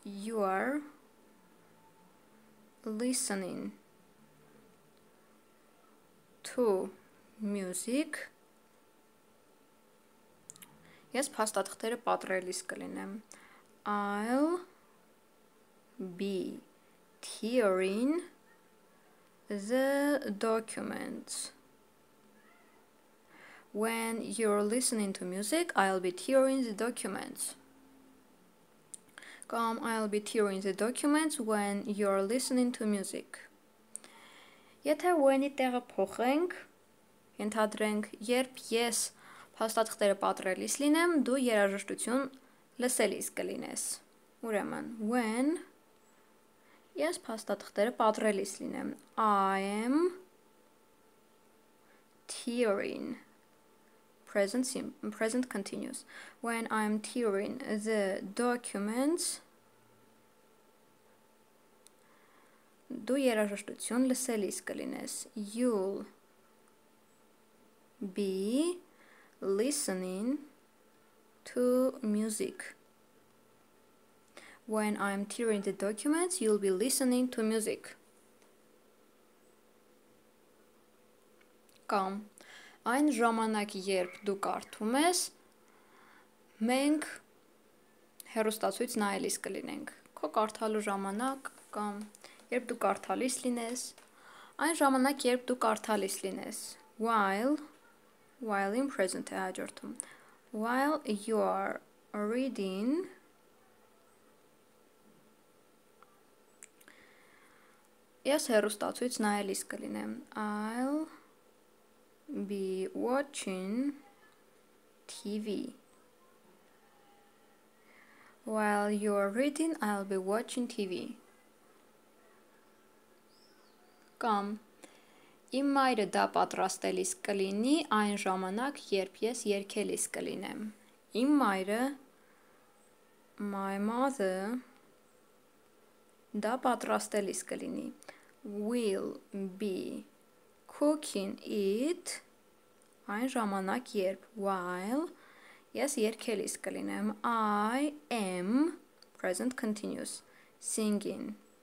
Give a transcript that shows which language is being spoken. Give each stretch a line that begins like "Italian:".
English: You are listening to music.
Armenian: Ես փաստաթղթերը պատրելիս կլինեմ։
English: I'll be tearing the documents. When you're listening to music, I'll be tearing the documents. Come, I'll be tearing the documents when you're listening to music.
Armenian: Եթե when-ի տեղը փոխենք, ենթադրենք, երբ ես փաստաթղթերը պատրելիս լինեմ, դու երաժշտություն լսելիս կլինես։ Ուրեմն, when ես փաստաթղթերը պատրելիս լինեմ,
English: I am tearing present continuous. When I am tearing the documents,
Armenian: դու երաժշտություն լսելիս կլինես.
English: You'll be listening to music. When I am tearing the documents, you'll be listening to music.
Armenian: Կամ այն ժամանակ, երբ դու կարդում ես, մենք հեռուստացույց նայելիս կլինենք։ Քո կարդալու ժամանակ կամ երբ դու կարդալիս լինես, այն ժամանակ, երբ դու կարդալիս լինես,
English: while in present
Armenian: է հաջորդում,
English: while you are reading
Armenian: ես հեռուստացույց նայելիս կլինեմ,
English: I'll be watching TV. While you are reading, I'll be watching TV.
Armenian: Կամ իմ մայրը դա պատրաստելիս կլինի այն ժամանակ, երբ ես երգելիս կլինեմ։ Իմ մայրը,
English: my mother,
Armenian: դա պատրաստելիս կլինի,
English: will be cooking it
Armenian: այն ժամանակ, երբ, while ես երգելիս կլինեմ,
English: I am present continuous singing.